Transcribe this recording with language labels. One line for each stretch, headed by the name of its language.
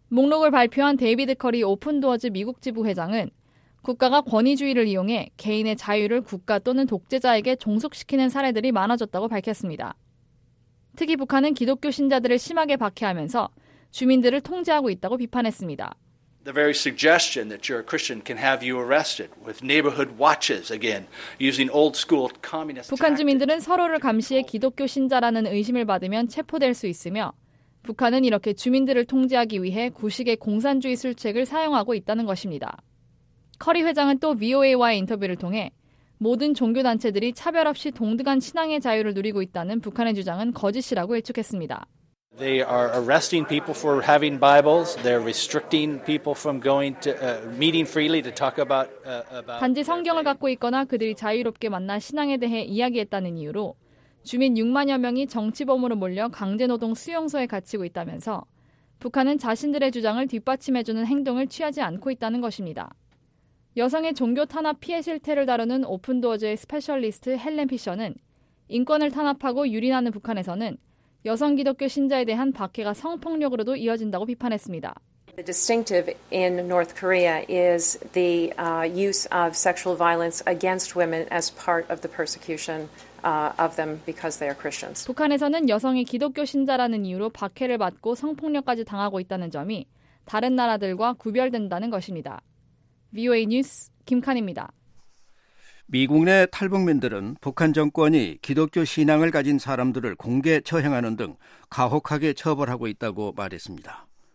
Korean: 목록을 발표한 데이비드 커리 오픈도어즈 미국 지부 회장은 국가가 권위주의를 이용해 개인의 자유를 국가 또는 독재자에게 종속시키는 사례들이 많아졌다고 밝혔습니다. 특히 북한은 기독교 신자들을 심하게 박해하면서 주민들을 통제하고 있다고 비판했습니다.
English: The very suggestion that you're a Christian can have you arrested with neighborhood watches again using old school communist
Korean: 북한 주민들은 서로를 감시해 기독교 신자라는 의심을 받으면 체포될 수 있으며 북한은 이렇게 주민들을 통제하기 위해 구식의 공산주의 술책을 사용하고 있다는 것입니다. 커리 회장은 또 VOA와의 인터뷰를 통해 모든 종교 단체들이 차별 없이 동등한 신앙의 자유를 누리고 있다는 북한의 주장은 거짓이라고 일축했습니다.
English: They are arresting people for having Bibles. They're restricting people from going to meeting freely to talk about
Korean: 단지 성경을 갖고 있거나 그들이 자유롭게 만나 신앙에 대해 이야기했다는 이유로 주민 6만여 명이 정치범으로 몰려 강제노동 수용소에 갇히고 있다면서 북한은 자신들의 주장을 뒷받침해 주는 행동을 취하지 않고 있다는 것입니다. 여성의 종교 탄압 피해 실태를 다루는 오픈도어즈의 스페셜리스트 헬렌 피셔는 인권을 탄압하고 유린하는 북한에서는 여성 기독교 신자에 대한 박해가 성폭력으로도 이어진다고 비판했습니다.
English: The distinctive in North Korea is the use of sexual violence against women as part of the persecution of them because they are Christians.
Korean: 북한에서는 여성이 기독교 신자라는 이유로 박해를 받고 성폭력까지 당하고 있다는 점이 다른 나라들과 구별된다는 것입니다. VOA 뉴스 김칸입니다. 미국 내 탈북민들은 북한 정권이 기독교 신앙을 가진 사람들을 공개 처형하는 등 가혹하게 처벌하고 있다고 말했습니다.